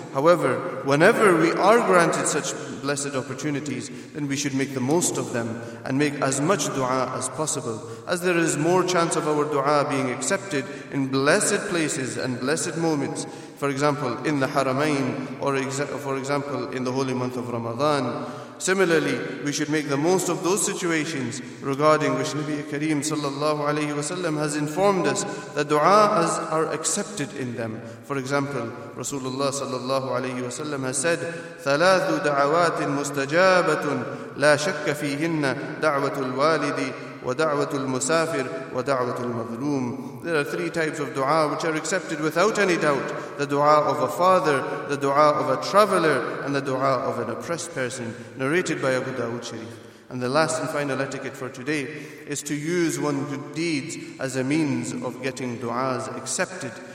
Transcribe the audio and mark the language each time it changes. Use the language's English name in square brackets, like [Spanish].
[English] However, whenever we are granted such blessed opportunities, then we should make the most of them and make as much dua as possible, as there is more chance of our dua being accepted in blessed places and blessed moments. For example, in the Haramain, or for example, in the holy month of Ramadan. Similarly, we should make the most of those situations regarding which Nabi Kareem sallallahu alayhi wa sallam has informed us that dua are accepted in them. For example, [Arabic] Rasulullah sallallahu alayhi wa sallam [English] has said, [Arabic] ثلاث دعوات مستجابة لا شك فيهن دعوة الوالد ودعوة المسافر ودعوة المظلوم. [English] There are three types of dua which are accepted without any doubt: the dua of a father, the dua of a traveler, and the dua of an oppressed person. Narrated by Abu Dawood Sharif. And the last and final etiquette for today is to use one's good deeds as a means of getting duas accepted.